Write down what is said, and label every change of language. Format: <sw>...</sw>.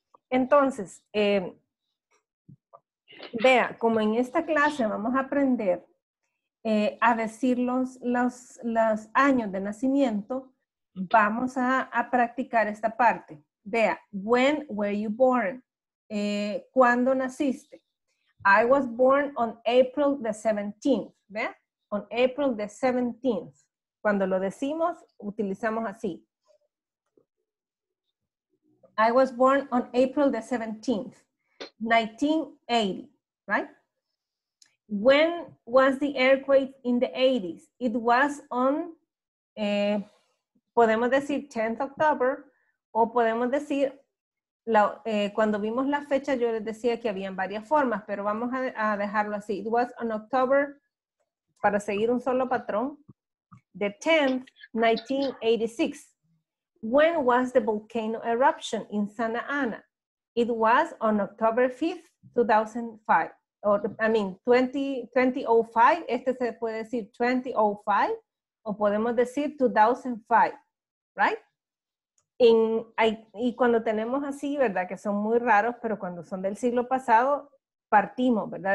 <es>Entonces, vea, como en esta clase vamos a aprender a decir los años de nacimiento, vamos a practicar esta parte.</es> <en>Vea, when were you born?</en> <es>¿Cuándo naciste?</es> <en>I was born on April the 17th. Vea, on April the 17th.</en> <es>Cuando lo decimos, utilizamos así.</es> <en>I was born on April the 17th, 1980. Right? When was the earthquake in the 80s? It was on,</en> <es>podemos decir 10th October, o podemos decir, cuando vimos la fecha, yo les decía que habían varias formas, pero vamos a dejarlo así.</es> <en>It was on October,</en> <es>para seguir un solo patrón,</es> <en>the 10th, 1986. When was the volcano eruption in Santa Ana? It was on October 5th, 2005. Or, I mean, 2005,</en> <es>este se puede decir 2005,</es> <en>o podemos decir 2005, right?</en> <es>Y cuando tenemos así, ¿verdad? Que son muy raros, pero cuando son del siglo pasado, partimos, ¿verdad?</es>